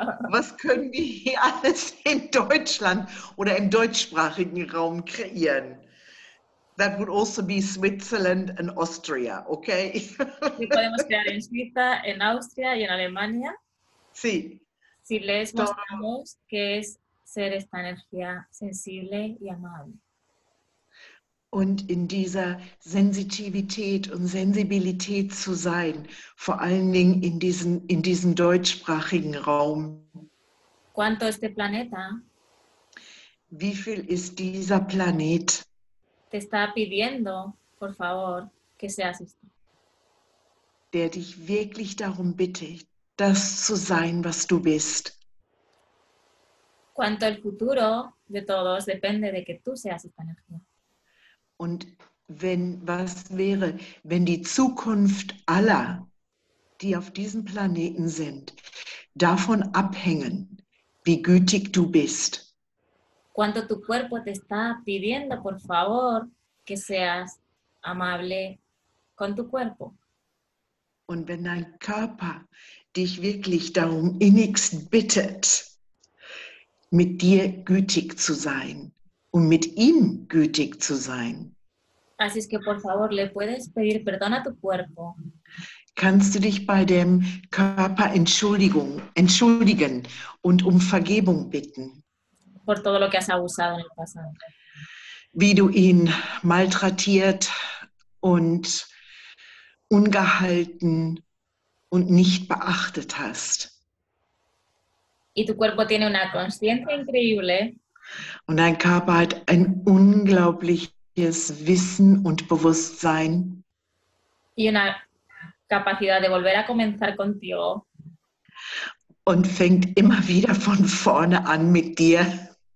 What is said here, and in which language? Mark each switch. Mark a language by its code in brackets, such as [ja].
[de] Was können wir hier alles in Deutschland oder im deutschsprachigen Raum kreieren? [en] That would also be Switzerland and Austria, okay? [de] Wir können kreieren in Suiza, in Austria und in Alemania. [es] Sí. Si les mostramos qué es ser esta energía sensible y amable. [de] Und in dieser Sensitivität und Sensibilität zu sein, vor allen Dingen in diesem deutschsprachigen Raum. [es] ¿Cuánto este planeta? [de] Wie viel ist dieser Planet? [es] Te está pidiendo, por favor, que seas esto. [de] Der dich wirklich darum bittet, das zu sein, was du bist. [es] Cuánto el futuro de todos depende de que tú seas esta energía. [de] Und wenn, was wäre, wenn die Zukunft aller, die auf diesem Planeten sind, davon abhängen, wie gütig du bist? [es] cuando tu cuerpo te está pidiendo, por favor, que seas amable con tu cuerpo. [de] Und wenn dein Körper dich wirklich darum innigst bittet, mit dir gütig zu sein und mit ihm gütig zu sein, [es] así es que, por favor, le puedes pedir perdón a tu cuerpo. [de] Kannst du dich bei dem Körper entschuldigen und um Vergebung bitten? [es] Por todo lo que has abusado en el pasado. [de] Wie du ihn maltratiert und ungehalten und nicht beachtet hast. [es] Y tu cuerpo tiene una conciencia increíble. [de] Und dein Körper hat ein unglaubliches Wissen und Bewusstsein. [es] Y una capacidad de volver a comenzar contigo. [de] Und fängt immer wieder von vorne an mit dir.